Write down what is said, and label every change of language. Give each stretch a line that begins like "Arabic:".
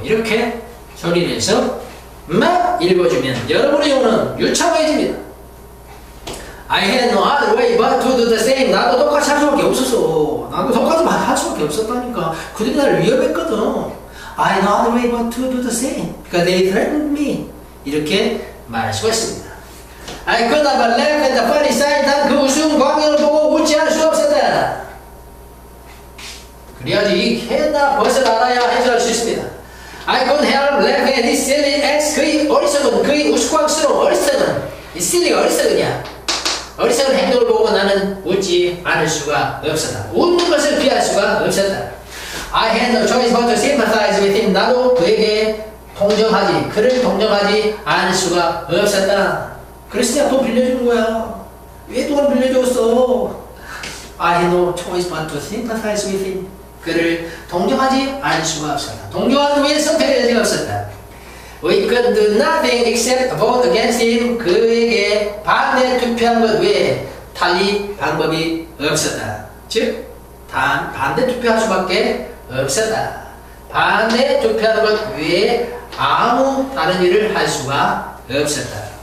Korean: 이렇게 소리를 해서 막 읽어주면 여러분의 영혼은 유창해집니다.
English: I had no other way but to do the same.
Korean: 나도 똑같이 할 수밖에 없었어. 나도 똑같이 할 수밖에 없었다니까. 그들이 나를 위협했거든.
English: I had no other way but to do the same. Because they threatened me.
Korean: 이렇게 말하시고 있습니다.
English: I could not but laugh at the funny sight.
Korean: 난 그 우스운 광경을 보고 웃지 않을 수 없었다. 그래야지 이 헤나 벗을 알아야 해소할 수 있습니다.
English: I couldn't help laughing at this silly ass.
Korean: 그의 어리석은, 그의 우스꽝스러운 어리석은, 이 silly 어리석은이야. 어리석은 행동을 보고 나는 웃지 않을 수가 없었다. 웃는 것을 피할 수가 없었다.
English: I had no choice but to sympathize with him.
Korean: 나도 그에게 동정하지, 그를 동정하지 않을 수가 없었다. 그래서 내가 돈 빌려주는 거야. 왜 돈을 빌려줬어?
English: I had no choice but to sympathize with him.
Korean: 그를 동정하지 않을 수가 없었다. 동정하기 위해 선택의 여지가 없었다.
English: We could do nothing except vote against him.
Korean: 그에게 반대 투표한 것 외에 달리 방법이 없었다. 즉, 단 반대 투표할 수밖에 없었다. 반대 투표한 것 외에 아무 다른 일을 할 수가 없었다.